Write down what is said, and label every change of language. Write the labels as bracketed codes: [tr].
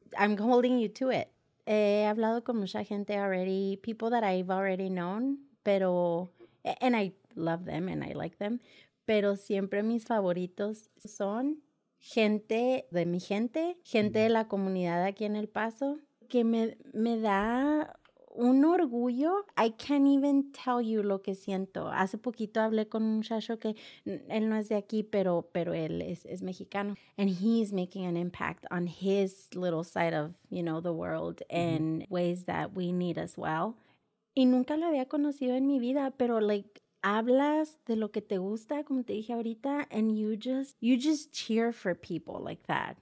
[en] I'm holding you to it. [es] He hablado con mucha gente [en] already, people that I've already known, [es] pero, [en] and I love them and I like them, [es] pero siempre mis favoritos son gente de mi gente, gente de la comunidad aquí en El Paso, que me da un orgullo. [en] I can't even tell you [es] lo que siento. Hace poquito hablé con un muchacho que él no es de aquí, pero él es mexicano. [en] And he's making an impact on his little side of, you know, the world in ways that we need as well. [es] Y nunca lo había conocido en mi vida, pero like hablas de lo que te gusta, como te dije ahorita, [en] and you just cheer for people like that.